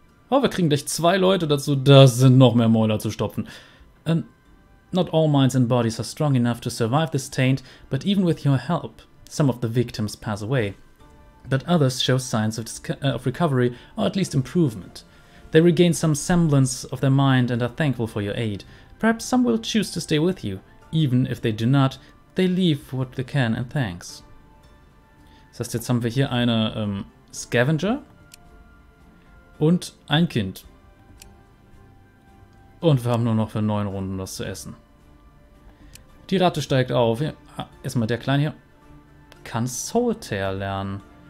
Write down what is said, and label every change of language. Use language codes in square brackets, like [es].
[de] Oh, wir kriegen gleich zwei Leute dazu, das sind noch mehr Mäuler zu stopfen. [en] Not all minds and bodies are strong enough to survive this taint, but even with your help, some of the victims pass away. But others show signs of recovery, or at least improvement. They regain some semblance of their mind and are thankful for your aid. Perhaps some will choose to stay with you. Even if they do not, they leave what they can and thanks. [de] Das heißt, jetzt haben wir hier eine Scavenger und ein Kind. Und wir haben nur noch für 9 Runden was zu essen. Die Ratte steigt auf. Ja, erstmal der Kleine hier. Kann Soltair lernen.